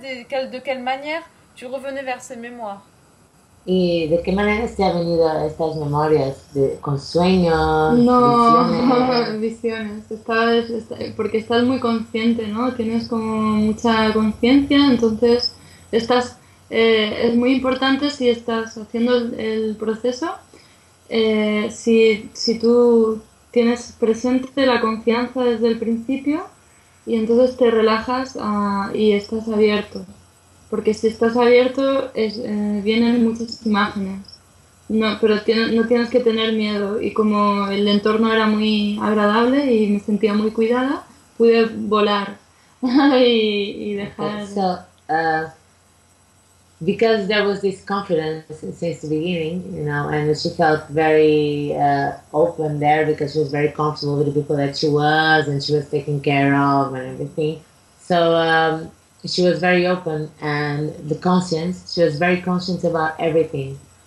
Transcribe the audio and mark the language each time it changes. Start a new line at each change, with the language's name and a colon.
French: De quelle manière tu revenais vers ces mémoires?
Spanish: ¿Y de qué manera se han venido estas memorias? ¿Con sueños? No, visiones. Porque estás muy consciente, ¿no? Tienes como mucha conciencia, entonces es muy importante si estás haciendo el proceso, si tú tienes presente la confianza desde el principio y entonces te relajas y estás abierto. Porque si estás abierto, vienen muchas imágenes. No, pero no tienes que tener miedo. Y como el entorno era muy agradable y me sentía muy cuidada, pude volar y dejar.
English: So, because there was this confidence since the beginning, you know, and she felt very open there because she was very comfortable with the people that she was and she was taking care of and everything. So, she was very open and the conscience, she was very conscious about everything.